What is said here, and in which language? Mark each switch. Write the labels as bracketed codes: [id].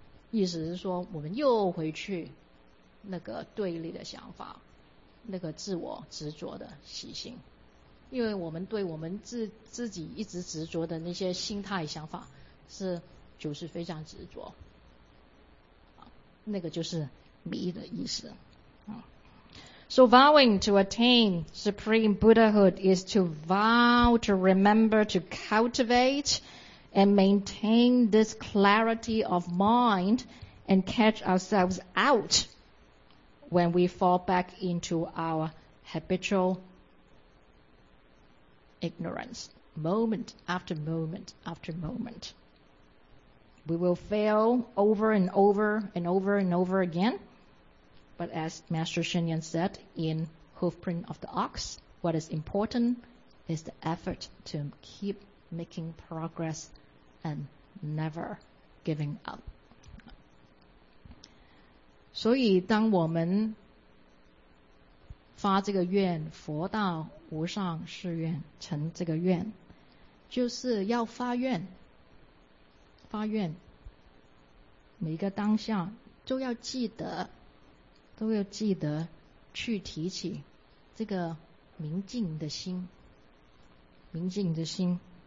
[zh] 意思是说我们又回去那个对立的想法，那个自我执着的习性，因为我们对我们自己一直执着的那些心态想法是就是非常执着，那个就是迷的意思。 [en] So vowing to attain supreme Buddhahood is to vow to remember to cultivateand maintain this clarity of mind and catch ourselves out when we fall back into our habitual ignorance, moment after moment after moment. We will fail over and over and over and over again, but as Master Shen Yan said in Hoofprint of the Ox, What is important is the effort to keep making progress and never giving up. [zh] 所以当我们发这个愿，佛道无上誓愿成这个愿，就是要发愿，发愿每个当下都要记得，都要记得去提起这个明净的心，明净的心。